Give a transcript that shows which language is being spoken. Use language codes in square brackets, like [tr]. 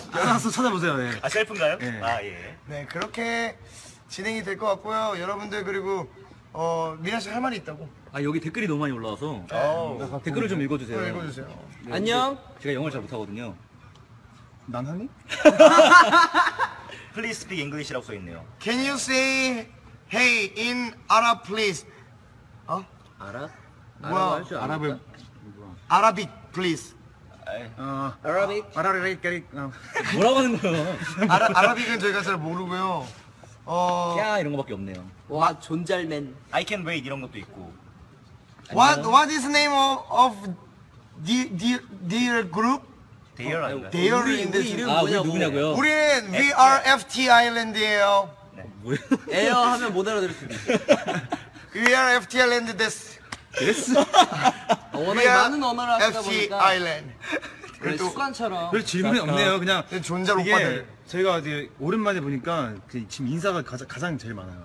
[ko] 알아서 찾아보세요. 예. 아, 셀프인가요? 예. 아, 예. 네, 그렇게 진행이 될 것 같고요. 여러분들, 그리고, 미나 씨 할 말이 있다고. 아, 여기 댓글이 너무 많이 올라와서 댓글을 좀 읽어주세요. 네, 읽어주세요. 네, 안녕. 제가 영어를 잘 못하거든요. 난 하니? [en] Please speak English [ko] 라고 써있네요. [en] Can you say hey in Arab please? [ko] 어? 아랍? 뭐야? 아랍을 [en] Arabic please. [ko] 아랍익? 아랍익? 뭐라고 하는 거예요? 아랍익은 저희가 잘 모르고요. 캬 이런 거밖에 없네요. 와 존잘맨. [en] I can wait [ko] 이런 것도 있고. [en] What is the name of their group? Their [ko] 아닌가요? 우리 이름 뭐냐고요? 우리 누구냐고요? 우리는 [en] we are FT Island이에요. [ko] 뭐야? 에어 하면 못 알아들을 수 있어요. [en] We are FT Island this. [ko] 그랬어? 워낙 많은 언어를 하시다 FT 보니까 FT Island. 그래, 습관처럼. 별 질문이 없네요. 그냥 존잘 오빠들. 제가 오랜만에 보니까 지금 인사가 가장 제일 많아요.